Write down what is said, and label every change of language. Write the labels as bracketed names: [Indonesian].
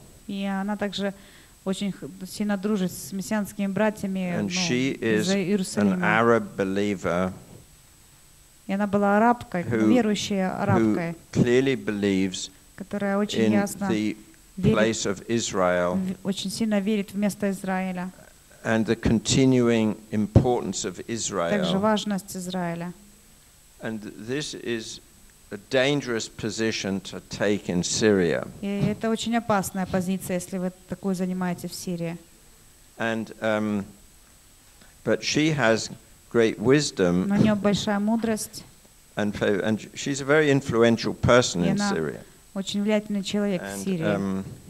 [Russian] И она также очень сильно дружит с мессианскими братьями из Иерусалима. [English] An Arab believer. [Russian] И она была арабкой, верующей арабкой. [English] Who clearly believes in the place of Israel. [Russian] Очень сильно верит в место Израиля. [English] And the continuing importance of Israel. [Russian] Также важность Израиля. [English] And this is a dangerous position to take in Syria. [Russian] И это очень опасная позиция, если вы такую занимаете в Сирии. [English] And but she has great wisdom. [Russian] Но у неё большая мудрость. [English] And she's a very influential person in Syria. [Russian] Очень влиятельный человек в Сирии.